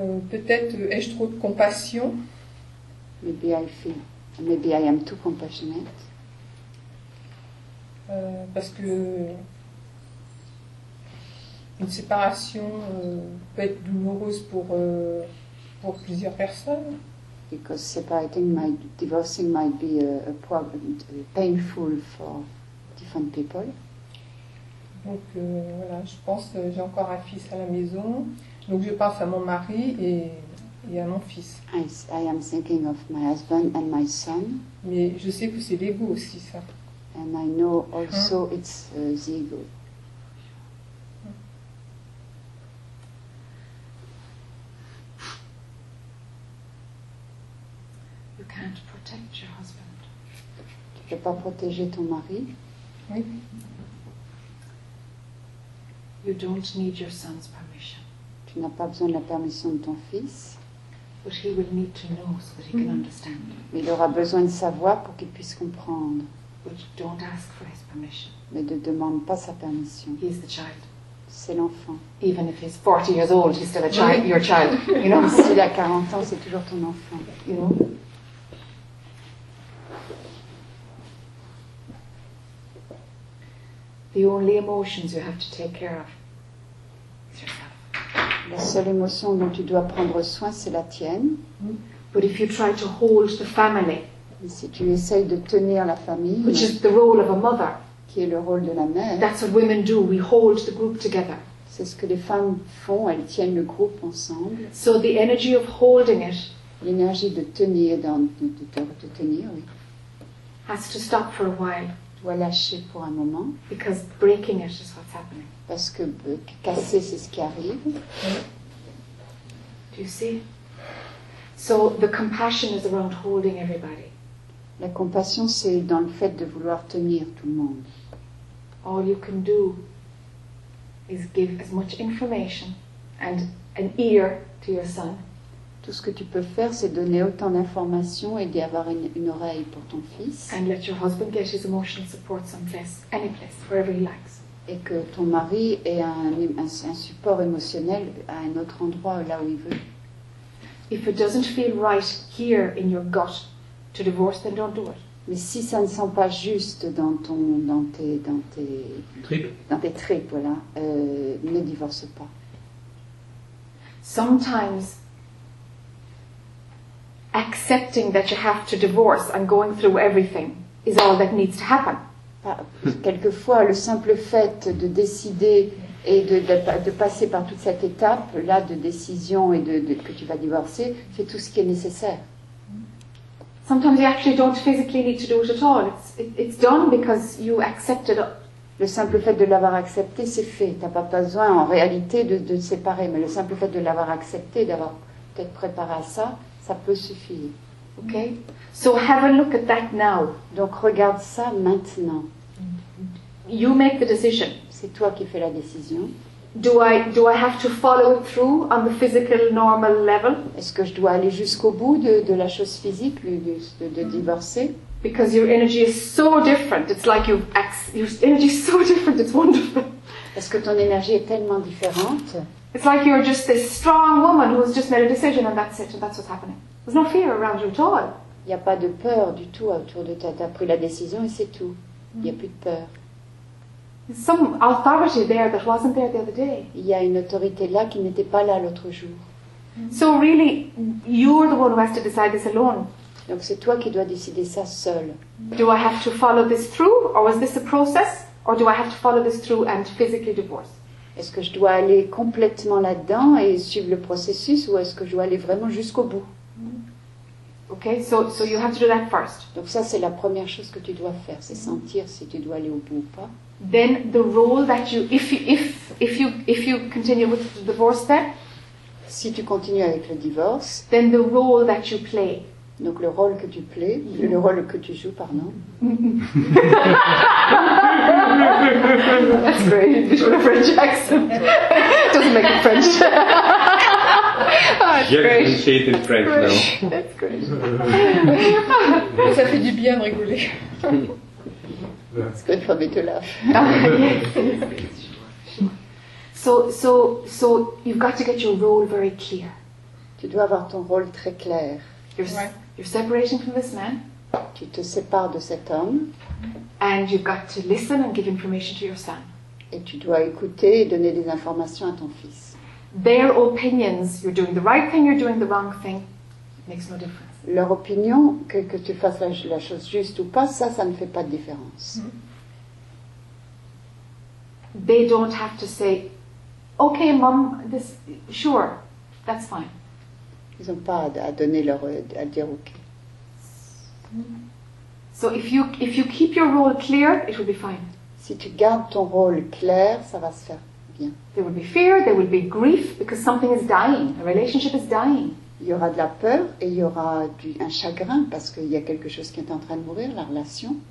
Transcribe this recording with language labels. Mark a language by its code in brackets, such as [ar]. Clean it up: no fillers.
[fr] Peut-être ai-je trop de compassion. [en] Maybe I am too compassionate. [fr] Parce que une séparation peut être douloureuse pour plusieurs personnes. [en] Because separating might, divorcing might be a problem, painful for different people. [fr] Donc voilà, je pense j'ai encore un fils à la maison, donc je pense à mon mari et à mon fils. [en] I am thinking of my husband and my son. [fr] Mais je sais que c'est l'ego aussi ça. [en] And I know also it's the ego. [fr] Tu ne peux pas protéger ton mari. Oui. [en] You don't need your son's permission. [fr] Tu n'as pas besoin de la permission de ton fils. [en] But he will need to know so that he can understand. [fr] Mais il aura besoin de savoir pour qu'il puisse comprendre. [en] But don't ask for his permission. [fr] Mais ne demande pas sa permission. [en] He is the child. [fr] C'est l'enfant. [en] Even if he's 40 years old, he's still a child. Your child. You know. [fr] S'il a 40 ans, c'est toujours ton enfant. [en] You know. The only emotions you have to take care of is yourself. [fr] La seule émotion dont tu dois prendre soin, c'est la tienne. [en] But if you try to hold the family, [fr] si tu essayes de tenir la famille, [en] which is the role of a mother, [fr] qui est le rôle de la mère, [en] that's what women do. We hold the group together. [fr] C'est ce que les femmes font. Elles tiennent le groupe ensemble. [en] So the energy of holding it, [fr] l'énergie de tenir, de tenir, oui, [en] has to stop for a while. [fr] Doit lâcher pour un moment. [en] Because breaking it is what's happening. [fr] Parce que casser, c'est ce qui arrive. [en] Do you see? So the compassion is around holding everybody. [fr] La compassion, c'est dans le fait de vouloir tenir tout le monde. [en] All you can do is give as much information and an ear to your son. [fr] Tout ce que tu peux faire, c'est donner autant d'informations et d'y avoir une oreille pour ton fils. [en] And let your husband get his emotional support someplace, any place, wherever he likes. [fr] Et que ton mari ait un support émotionnel à un autre endroit, là où il veut. [en] If it doesn't feel right here in your gut to divorce, then don't do it. [fr] Mais si ça ne sent pas juste dans ton, dans tes tripes, voilà, ne divorce pas. [en] Sometimes accepting that you have to divorce and going through everything is all that needs to happen. [fr] Quelquefois, le simple fait de décider et de passer par toute cette étape là de décision et de que tu vas divorcer, c'est tout ce qui est nécessaire. [en] Sometimes you actually don't physically need to do it at all. It's done because you accepted it. [fr] Le simple fait de l'avoir accepté, c'est fait. T'as pas besoin en réalité de te séparer, mais le simple fait de l'avoir accepté, d'avoir peut-être préparé à ça, ça peut suffire. [en] Okay? So have a look at that now. [fr] Donc regarde ça maintenant. [en] You make the decision. [fr] C'est toi qui fais la décision. [en] Do I have to follow through on the physical normal level? [fr] Est-ce que je dois aller jusqu'au bout de la chose physique, de divorcer? [en] Because your energy is so different. It's like your energy is so different. It's wonderful. [fr] Est-ce que ton énergie est tellement différente? [en] It's like you're just this strong woman who has just made a decision and that's it and that's what's happening. There's no fear around you at all. [fr] Il y a pas de peur du tout autour de toi. T'as pris la décision et c'est tout. Il y a plus de peur. [en] Some authority there that wasn't there the other day. [fr] Il y a une autorité là qui n'était pas là l'autre jour. [en] So really, you're the one who has to decide this alone. [fr] Donc c'est toi qui dois décider ça seul. [en] Do I have to follow this through, or was this a process, or do I have to follow this through and physically divorce? [fr] Est-ce que je dois aller complètement là-dedans et suivre le processus, ou est-ce que je dois aller vraiment jusqu'au bout? [en] Okay, so you have to do that first. [fr] Donc ça c'est la première chose que tu dois faire, c'est sentir si tu dois aller au bout ou pas. [en] Then the role that you, if you continue with the divorce step, [fr] si tu continues avec le divorce, [en] then the role that you play. [fr] Donc le rôle que tu plais, le rôle que tu joues, pardon. [en] That's great. You have a French accent. It doesn't make it French. Oh, that's great. Just say it in French now. That's great. [fr] Ça fait du bien de rigoler. [en] It's good for me to laugh. So you've got to get your role very clear. [fr] Tu dois avoir ton rôle très clair. [en] You're separating from this man. [fr] Tu te sépares de cet homme. [en] And you've got to listen and give information to your son. [fr] Et tu dois écouter et donner des informations à ton fils. [en] Their opinions, you're doing the right thing, you're doing the wrong thing, makes no difference. [fr] Leur opinion, que tu fasses la chose juste ou pas, ça ne fait pas de différence. [en] They don't have to say, okay, mom, this, sure, that's fine. [fr] Ils n'ont pas à donner leur, à dire okay. [en] So if you keep your role clear, it will be fine. [fr] Si tu gardes ton rôle clair, ça va se faire bien. [en] There will be fear, there will be grief, because something is dying, a relationship is dying. [fr] Il y aura de la peur et il y aura un chagrin parce qu'il y a quelque chose qui est en train de mourir, la relation.